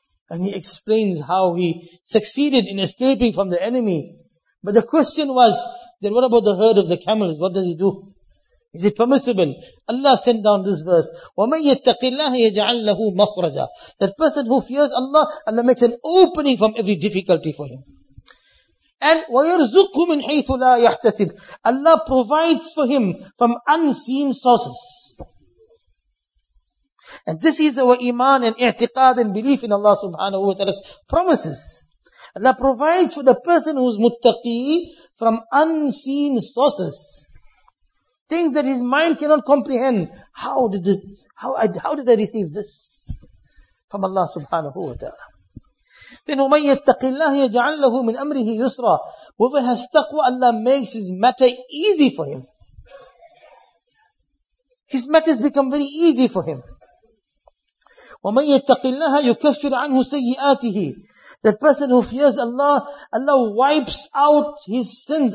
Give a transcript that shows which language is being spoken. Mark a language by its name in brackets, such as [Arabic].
[English] And he explains how he succeeded in escaping from the enemy. But the question was, then what about the herd of the camels? What does he do? Is it permissible? Allah sent down this verse. [Arabic] وَمَنْ يَتَّقِ اللَّهِ يَجْعَلْ لَهُ مَخْرَجًا. [English] That person who fears Allah, Allah makes an opening from every difficulty for him. [Arabic] And وَيَرْزُقْهُ مِنْ حَيْثُ لَا يَحْتَسِبْ. [English] Allah provides for him from unseen sources. And this is our iman and i'tiqad and belief in Allah subhanahu wa ta'ala's promises. Allah provides for the person who is muttaqi from unseen sources. Things that his mind cannot comprehend. How did I receive this from Allah subhanahu wa ta'ala? [Arabic] Then, وَمَنْ يَتَّقِ اللَّهِ يَجْعَلْ لَهُ مِنْ أَمْرِهِ يُسْرًا. [English] Whoever has taqwa, Allah makes his matter easy for him. His matters become very easy for him. [Arabic] وَمَنْ يَتَّقِ اللَّهَ يُكَفِّرْ عَنْهُ سَيِّئَاتِهِ. [English] That person who fears Allah, Allah wipes out his sins.